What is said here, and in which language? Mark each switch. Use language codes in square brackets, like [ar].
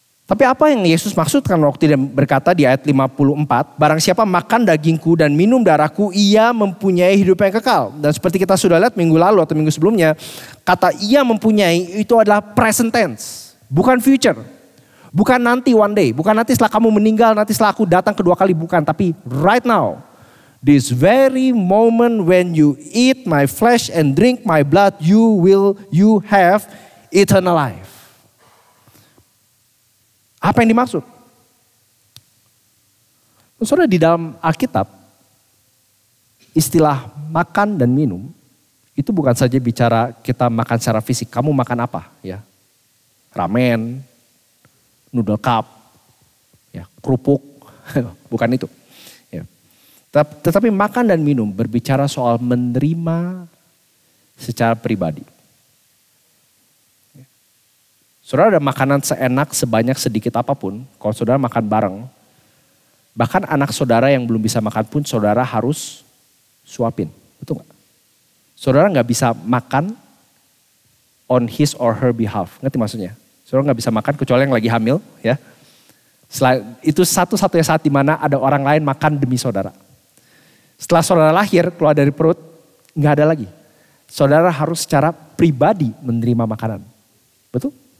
[id] Tapi apa yang Yesus maksudkan waktu dia berkata di ayat 54, barang siapa makan dagingku dan minum darahku, ia mempunyai hidup yang kekal. Dan seperti kita sudah lihat minggu lalu atau minggu sebelumnya, kata ia mempunyai itu adalah present tense, bukan future. Bukan nanti [en] one day, [id] bukan nanti setelah kamu meninggal, nanti setelah aku datang kedua kali, bukan. [en] Tapi right now, this very moment when you eat my flesh and drink my blood, you have eternal life. [id] Apa yang dimaksud? Saudara, di dalam Alkitab, istilah makan dan minum, itu bukan saja bicara kita makan secara fisik, kamu makan apa? Ya, ramen, noodle cup, ya, kerupuk, bukan itu. Ya. Tetapi makan dan minum berbicara soal menerima secara pribadi. Saudara, ada makanan seenak, sebanyak, sedikit apapun, kalau saudara makan bareng, bahkan anak saudara yang belum bisa makan pun, saudara harus suapin. Betul gak? Saudara gak bisa makan [en] on his or her behalf. [id] Ngerti maksudnya? Saudara gak bisa makan kecuali yang lagi hamil. Ya. Itu satu-satunya saat dimana ada orang lain makan demi saudara. Setelah saudara lahir, keluar dari perut, gak ada lagi. Saudara harus secara pribadi menerima makanan. Betul?